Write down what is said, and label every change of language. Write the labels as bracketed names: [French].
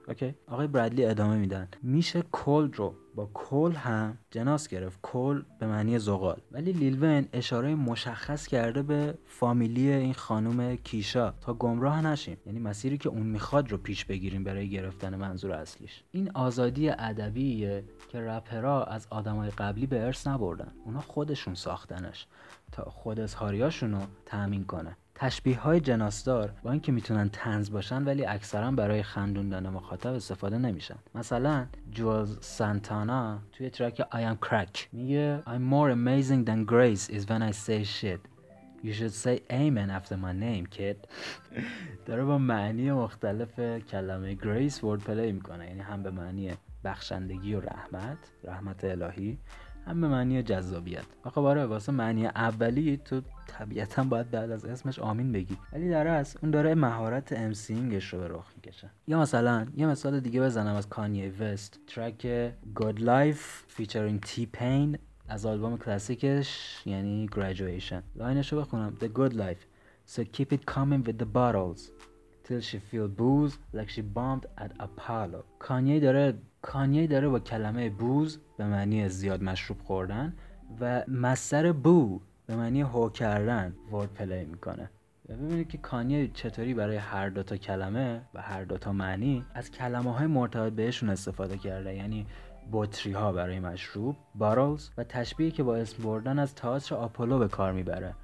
[Persian] اوکی آقای برادلی ادامه میدن، میشه کول رو با کول هم جناس گرفت، کول به معنی زغال، ولی لیل وین اشاره مشخص کرده به فامیلی این خانم کیشا تا گمراه نشیم، یعنی مسیری که اون میخواد رو پیش بگیریم برای گرفتن منظور اصلیش. این آزادی ادبیه که رپرها از آدمای قبلی به ارث نبردن، اونا خودشون ساختنش تا خود اظهاریاشونو تامین کنه. تشبیه های جناسدار با اینکه میتونن طنز باشن ولی اکثرا برای خندوندن مخاطب استفاده نمیشن. مثلا جولز سانتانا توی ترک I am crack میگه [English] I'm more amazing than grace is when I say shit. You should say amen after my name, kid. [Persian] داره با معنی مختلف کلمه grace wordplay میکنه، یعنی هم به معنی بخشندگی و رحمت، رحمت الهی، هم به معنی جذابیت. خب آره، واسه معنی اولی تو طبیعتا باید بعد از اسمش آمین بگی، ولی در اصل اون داره مهارت امسینگش رو به رخ میکشه. یا مثلا یه مثال دیگه بزنم از کانیه وست، ترک God Life featuring T-Pain از آلبوم کلاسیکش یعنی Graduation. لاینش رو بخونم: [English] The good life, so keep it coming with the bottles till she feel booze like she bombed at Apollo. [Persian] کانیه داره با کلمه بوز به معنی زیاد مشروب خوردن و مصدر بو به معنی هو کردن ورد پلی میکنه. ببینید که کانیه چطوری برای هر دوتا کلمه و هر دوتا معنی از کلمه های مرتبط بهشون استفاده کرده، یعنی بطری ها برای مشروب، بارلز، و تشبیهی که با اسم بردن از تئاتر آپولو به کار میبره.